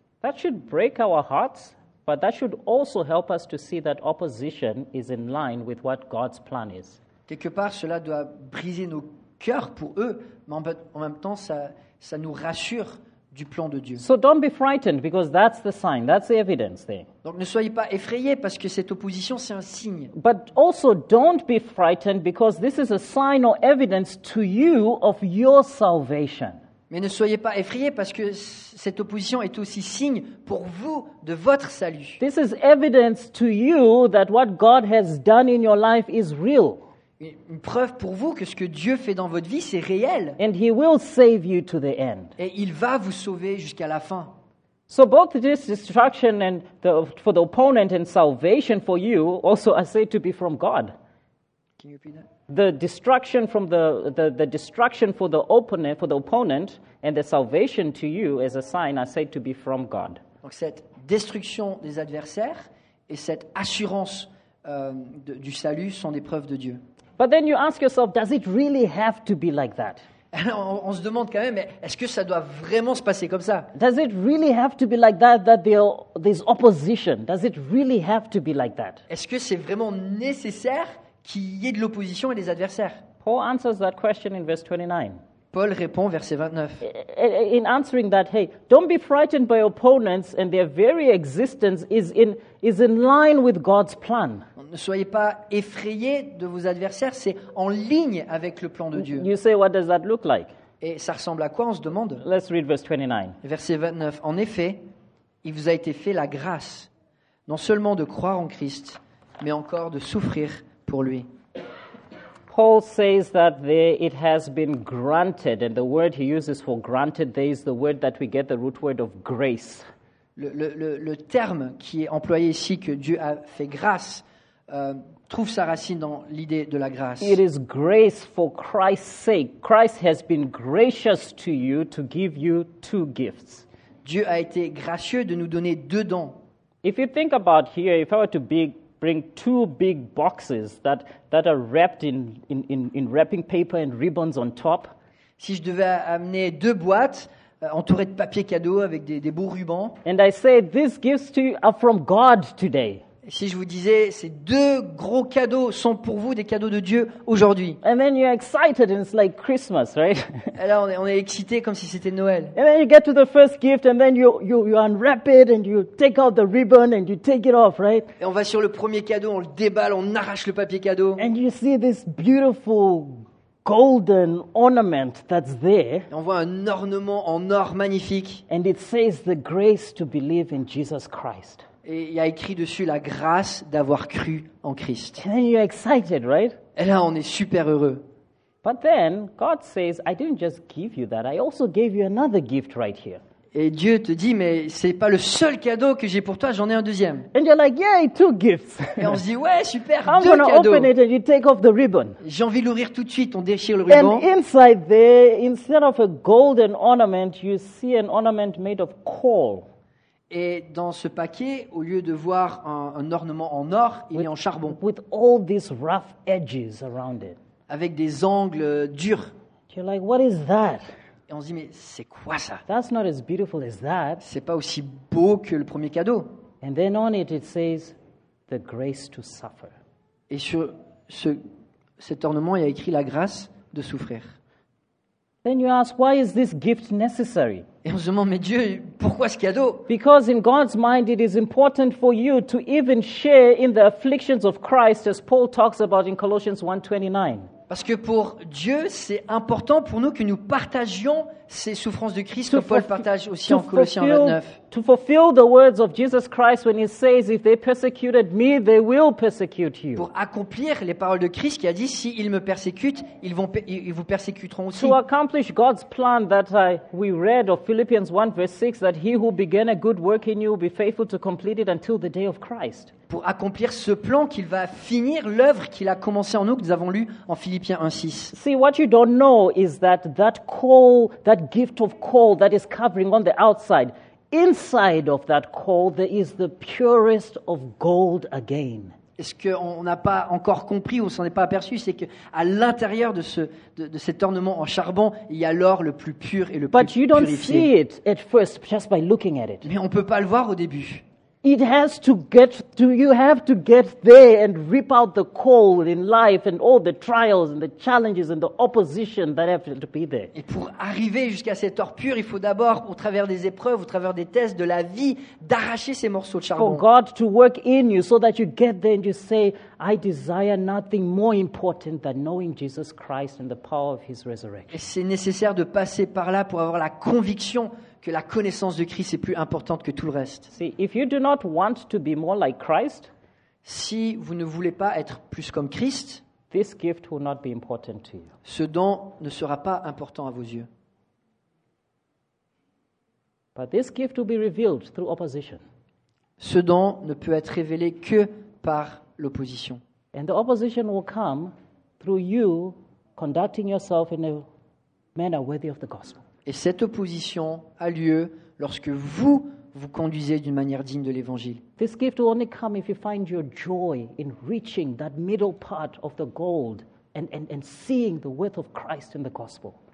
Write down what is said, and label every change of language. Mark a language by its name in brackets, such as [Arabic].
[English] That should break our hearts, but that should also help us to see that opposition is in line with what God's plan is. [French] Quelque part, cela doit briser nos cœurs pour eux, mais en même temps, ça nous rassure du plan de Dieu. [English] So don't be frightened because that's the sign, that's the evidence there. [French] Donc ne soyez pas effrayés parce que cette opposition c'est un signe. [English] But also don't be frightened because this is a sign or evidence to you of your salvation. [French] Mais ne soyez pas effrayés parce que cette opposition est aussi signe pour vous de votre salut. [English] This is evidence to you that what God has done in your life is real. [French] Une preuve pour vous que ce que Dieu fait dans votre vie, c'est réel. [English] And he will save you to the end. [French] Et il va vous sauver jusqu'à la fin. [English] So both this destruction and for the opponent and salvation for you also are said to be from God. Can you repeat that? The destruction from the destruction for the opponent and the salvation to you as a sign are said to be from God. [French] Donc cette destruction des adversaires et cette assurance du salut sont des preuves de Dieu. [English] But then you ask yourself, does it really have to be like that? On se demande quand même, mais est-ce que ça doit vraiment se passer comme ça? Does it really have to be like that there's opposition? Does it really have to be like that? [French] Est-ce que c'est vraiment nécessaire qu'il y ait de l'opposition et des adversaires? [English] Paul answers that question in verse 29. [French] Paul répond verset 29. [English] In answering that, hey, don't be frightened by opponents and their very existence is in line with God's plan. [French] Ne soyez pas effrayés de vos adversaires, c'est en ligne avec le plan de Dieu. [English] You say, what does that look like? [French] Et ça ressemble à quoi, on se demande? [English] Let's read verse 29. [French] Verset 29. En effet, il vous a été fait la grâce, non seulement de croire en Christ, mais encore de souffrir pour lui. [English] Paul says that there it has been granted, and the word he uses for granted there is the word that we get the root word of grace. [French] Le terme qui est employé ici, que Dieu a fait grâce, trouve sa racine dans l'idée de la grâce. [English] It is grace for Christ's sake. Christ has been gracious to you to give you two gifts. [French] Dieu a été gracieux de nous donner deux dons. [English] If you think about here, if I were to bring two big boxes that are wrapped in wrapping paper and ribbons on top. [French] Si je devais amener deux boîtes entourées de papier cadeau avec des beaux rubans. [English] And I say these gifts to you are from God today. [French] Si je vous disais ces deux gros cadeaux sont pour vous des cadeaux de Dieu aujourd'hui. [English] And then you're excited and it's like Christmas, right? [French] Alors on est excité comme si c'était Noël. [English] And then you get to the first gift and then you unwrap it and you take out the ribbon and you take it off, right? [French] Et on va sur le premier cadeau, on le déballe, on arrache le papier cadeau. [English] And you see this beautiful golden ornament that's there. [French] Et on voit un ornement en or magnifique. [English] And it says the grace to believe in Jesus Christ. [French] Et il y a écrit dessus la grâce d'avoir cru en Christ. [English] And then you're excited, right? [French] Et là, on est super heureux. [English] But then God says, I didn't just give you that. I also gave you another gift right here. [French] Et Dieu te dit, mais c'est pas le seul cadeau que j'ai pour toi, j'en ai un deuxième. [English] And you're like, yeah, two gifts. [French] Et on se dit, ouais, super, [English] I'm [French] deux cadeaux. [English] Open it and you take off the ribbon. [French] J'ai envie de l'ouvrir tout de suite, on déchire le ruban. [English] And inside there, instead of a golden ornament, you see an ornament made of coal. [French] Et dans ce paquet, au lieu de voir un ornement en or, il est en charbon. [English] With all these rough edges around it. [French] Avec des angles durs. [English] You're like, what is that? [French] Et on se dit, mais c'est quoi ça? [English] That's not as beautiful as that. [French] C'est pas aussi beau que le premier cadeau. [English] And then on it, it says, the grace to suffer. [French] Et sur cet ornement, il y a écrit la grâce de souffrir. [English] Then you ask, why is this gift necessary? [French] Et on se demande, mais Dieu, pourquoi ce cadeau? [English] Because in God's mind, it is important for you to even share in the afflictions of Christ, as Paul talks about in Colossians 1:29. [French] Parce que pour Dieu, c'est important pour nous que nous partagions ces souffrances de Christ que Paul partage aussi en Colossiens 29. [English] To fulfill the words of Jesus Christ when he says, if they persecuted me, they will persecute you. [French] Pour accomplir les paroles de Christ qui a dit, si ils me persécutent, ils vous persécuteront aussi. [English] To accomplish God's plan that we read of Philippians 1 verse 6, that he who began a good work in you will be faithful to complete it until the day of Christ. [French] Pour accomplir ce plan qu'il va finir l'œuvre qu'il a commencé en nous que nous avons lu en Philippiens 1:6. [English] See, what you don't know is that coal, that gift of coal that is covering on the outside. Inside of that coal, there is the purest of gold again. [French] Est-ce qu'on n'a pas encore compris ou on s'en est pas aperçu, c'est que à l'intérieur de cet ornement en charbon, il y a l'or le plus pur et le plus purifié. [English] But you don't see it at first, just by looking at it. [French] Mais on peut pas le voir au début. [English] It has to get to. You have to get there and rip out the coal in life and all the trials and the challenges and the opposition that have to be there. [French] Et pour arriver jusqu'à cet or pur, il faut d'abord, au travers des épreuves, au travers des tests de la vie, d'arracher ces morceaux de charbon. [English] For God to work in you, so that you get there and you say, I desire nothing more important than knowing Jesus Christ and the power of His resurrection. [French] Et c'est nécessaire de passer par là pour avoir la conviction que la connaissance de Christ est plus importante que tout le reste. [English] See, if you do not want to be more like Christ, [French] si vous ne voulez pas être plus comme Christ, [English] this gift will not be important to you. [French] Ce don ne sera pas important à vos yeux. [English] But this gift will be revealed through opposition. [French] Ce don ne peut être révélé que par l'opposition. [English] And the opposition will come through you conducting yourself in a manner worthy of the gospel. [French] Et cette opposition a lieu lorsque vous vous conduisez d'une manière digne de l'Évangile. [English] This gift will only come if you find your joy in reaching that middle part of the gold and seeing the worth of Christ in the gospel.